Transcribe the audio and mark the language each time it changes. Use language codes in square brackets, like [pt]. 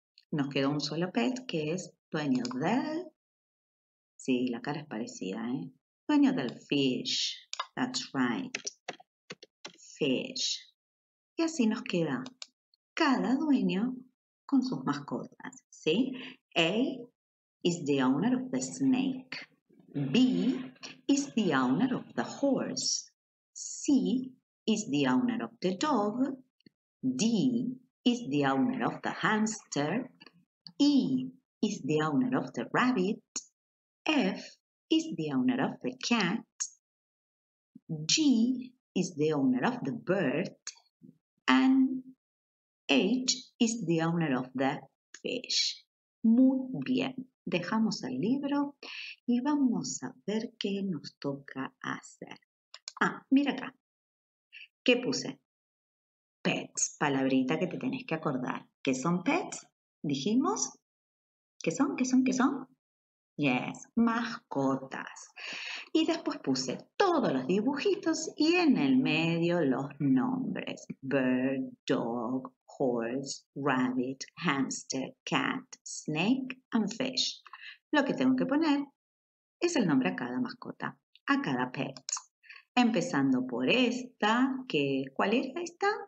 [es] Nos quedó un solo pet que es dueño del... Sí, la cara es parecida, ¿eh? Dueño del [en] fish. That's right. Fish. [es] Y así nos queda cada dueño con sus mascotas, ¿sí? [en] A is the owner of the snake. B is the owner of the horse. C is the owner of the dog. D is the owner of the hamster. E is the owner of the rabbit. F is the owner of the cat. G is the owner of the bird. And H is the owner of the fish. [es] Muy bien. Dejamos el libro y vamos a ver qué nos toca hacer. Ah, mira acá. ¿Qué puse? Pets, palabrita que te tenés que acordar. ¿Qué son pets? Dijimos. ¿Qué son? [en] Yes, mascotas. [es] Y después puse todos los dibujitos y en el medio los nombres. [en] Bird, dog, horse, rabbit, hamster, cat, snake and fish. [es] Lo que tengo que poner es el nombre a cada mascota, a cada pet. Empezando por esta, que, ¿cuál era esta?